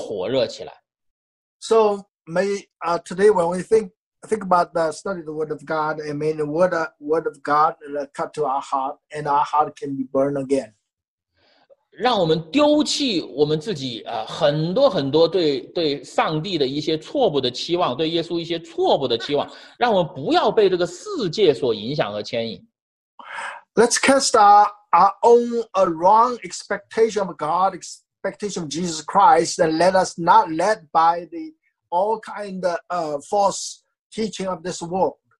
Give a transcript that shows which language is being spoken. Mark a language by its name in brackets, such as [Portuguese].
[Chinese] 所以愿意今天我们所思想的圣经的话语，在我们每一个弟兄姊妹心中也做同样的工作，也让我们的心被刺痛，也让我们的心能够火热起来。 [English] So may today when we think about the study of the Word of God, and may the Word of God cut to our heart, and our heart can be burned again. [Chinese] 让我们丢弃我们自己很多很多对上帝的一些错误的期望，对耶稣一些错误的期望，让我们不要被这个世界所影响和牵引。 [English] Let's cast our own wrong expectation of God, expectation of Jesus Christ, and let us not led by the all kind of false teaching of this world.